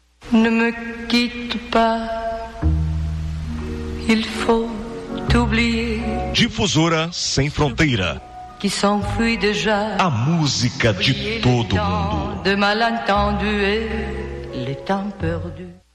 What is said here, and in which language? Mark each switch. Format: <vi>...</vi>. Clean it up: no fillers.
<fr>Ne me quitte pas, il faut t'oublier.</fr> <pt>Difusora Sem Fronteira.</pt> <fr>Qui s'enfuit déjà.</fr> <pt>A música de todo mundo.</pt> <fr>De malentendu et le temps perdu.</fr>